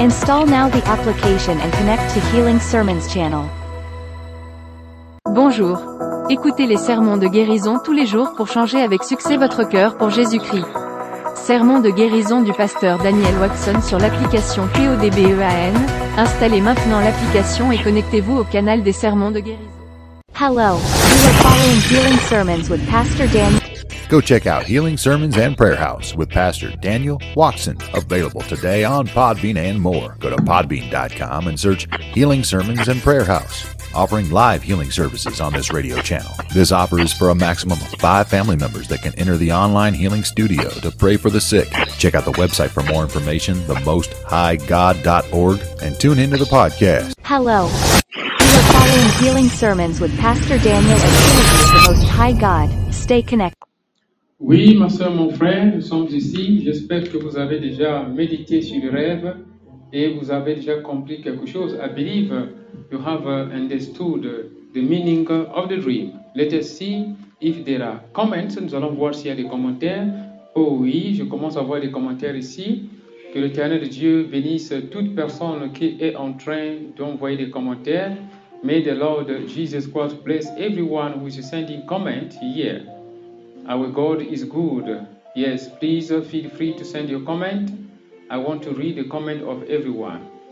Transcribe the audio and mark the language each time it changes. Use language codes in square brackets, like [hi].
[en] Install now the application and connect to Healing Sermons channel. [fr] Bonjour. Écoutez les sermons de guérison tous les jours pour changer avec succès votre cœur pour Jésus-Christ. Sermon de guérison du pasteur Daniel Waxon sur l'application QODBEAN. Installez maintenant l'application et connectez-vous au canal des sermons de guérison. [en] Hello. You are following Healing Sermons with Pastor Daniel. Go check out Healing Sermons and Prayer House with Pastor Daniel Waxon. Available today on Podbean and more. Go to podbean.com and search Healing Sermons and Prayer House. Offering live healing services on this radio channel. This offer is for a maximum of 5 family members that can enter the online healing studio to pray for the sick. Check out the website for more information, themosthighgod.org, and tune into the podcast. Hello. You are following Healing Sermons with Pastor Daniel and the Most High God. Stay connected. [fr] Oui, ma soeur, mon frère, nous sommes ici. J'espère que vous avez déjà médité sur le rêve et vous avez déjà compris quelque chose. [en] I believe you have understood the meaning of the dream. Let us see if there are comments. [fr] Nous allons voir s'il y a des commentaires. Oh oui, je commence à voir des commentaires ici. Que l'Éternel de Dieu bénisse toute personne qui est en train d'envoyer des commentaires. [en] May the Lord Jesus Christ bless everyone who is sending comments here. Our God is good. Yes, please feel free to send your comment. I want to read the comment of everyone.